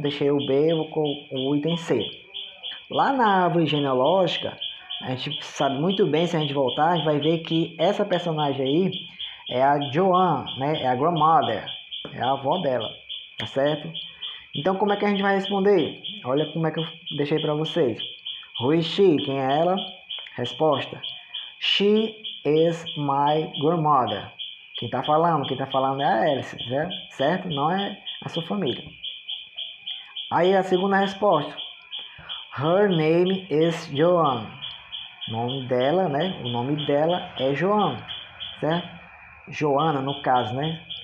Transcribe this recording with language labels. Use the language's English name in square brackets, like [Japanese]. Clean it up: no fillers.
[Portuguese] Deixei o B, vou com o item C. Lá na árvore genealógica, a gente sabe muito bem, se a gente voltar, a gente vai ver que essa personagem aí é a Joan, né? É a grandmother, é a avó dela, tá certo? Então, como é que a gente vai responder? Olha como é que eu deixei para vocês. [English] Who is she? [Portuguese] Quem é ela? [English] Resposta: She is my grandmother. [Portuguese] Quem tá falando? Quem tá falando é a Alice, né? Certo? Não é a sua família. Aí a segunda resposta: [English] Her name is Joan. [Portuguese] Nome dela, né? O nome dela é Joan, certo? Joana, no caso, né?